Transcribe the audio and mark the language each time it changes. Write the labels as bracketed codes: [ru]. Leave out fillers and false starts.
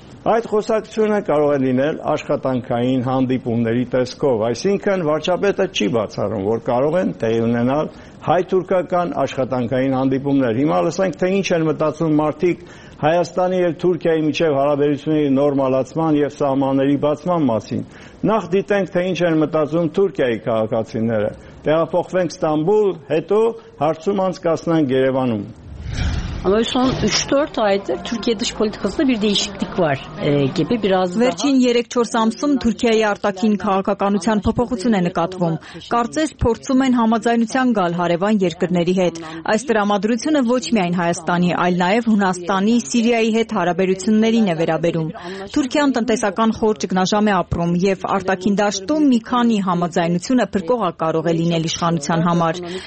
[hy] Այդ խոսակցությունը կարող է լինել աշխատանքային հանդիպումների տեսքով, այսինքն վարչապետը չի բացառում, որ կարող են տեղի ունենալ հայ-թուրքական աշխատանքային հանդիպումներ։ Հիմա լսենք, թե ինչ են մտածում մարդիկ Հայաստանի եւ Թուրքիայի միջև հարաբերությունների նորմալացման եւ սահմանների բացման մասին։ Նախ դիտենք, թե ինչ են մտածում Թուրքիայի քաղաքացիները։ Տեղափոխվենք Ստամբուլ, հետո հարցում անցկացնենք Երևանում։ [tr] Ama son 3-4 aydır Türkiye dış politikasında bir değişiklik var gibi biraz daha. [hy] Վերջին 3-4 ամսում Թուրքիայի արտաքին քաղաքականության փոփոխություն է նկատվում։ Կարծես փորձում են համաձայնության գալ հարևան երկրների հետ։ Այս տրամադրությունը ոչ միայն Հայաստանի, այլ նաև Հունաստանի, Սիրիայի հետ հարաբերություններին է վերաբերում։ Թուրքիան տնտեսական խոր ճգնաժամ է ապրում եւ արտաքին դաշտում մի քանի համաձայնությունը փրկող կարող է լինել իշխանության համար։